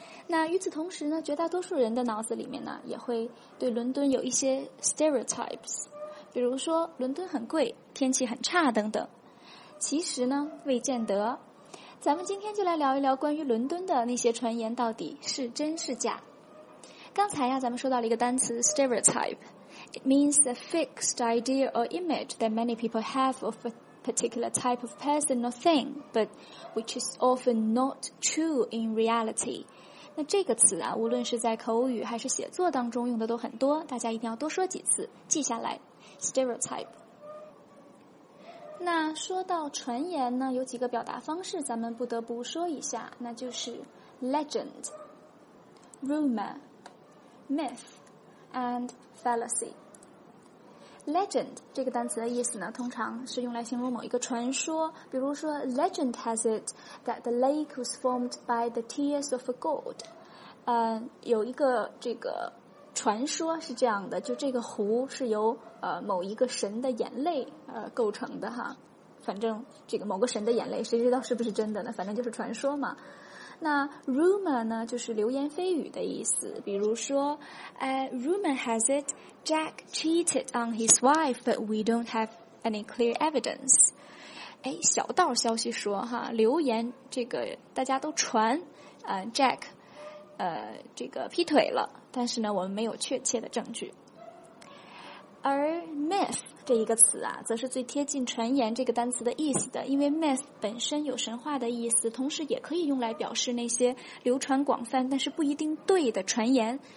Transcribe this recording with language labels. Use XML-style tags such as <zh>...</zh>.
<zh>那与此同时呢，绝大多数人的脑子里面呢，也会对伦敦有一些 stereotypes， 比如说伦敦很贵、天气很差等等。其实呢，未见得。咱们今天就来聊一聊关于伦敦的那些传言到底是真是假。刚才呀，咱们说到了一个单词 stereotype。</zh> <en>It means the fixed idea or image that many people have of a particular type of person or thing, but which is often not true in reality.</en> <zh>那这个词啊，无论是在口语还是写作当中用的都很多，大家一定要多说几次，记下来。 Stereotype。 那说到传言呢，有几个表达方式咱们不得不说一下，那就是 legend, rumor, myth,and fallacy. Legend 这个单词的意思呢，通常是用来形容某一个传说，比如说</zh> <en>Legend has it that the lake was formed by the tears of a god.</en> <zh>有一个这个传说是这样的，就这个湖是由某一个神的眼泪构成的哈。反正这个某个神的眼泪，谁知道是不是真的呢？反正就是传说嘛。那 rumor 呢，就是流言蜚语的意思。</zh> <en>比如说，rumor has it Jack cheated on his wife, but we don't have any clear evidence.</en> <zh>哎，小道消息说哈，流言这个大家都传，Jack， 这个劈腿了，但是呢，我们没有确切的证据。而 myth 这一个词啊，则是最贴近传言这个单词的意思的，因为 myth 本身有神话的意思，同时也可以用来表示那些流传广泛但是不一定对的传言。</zh>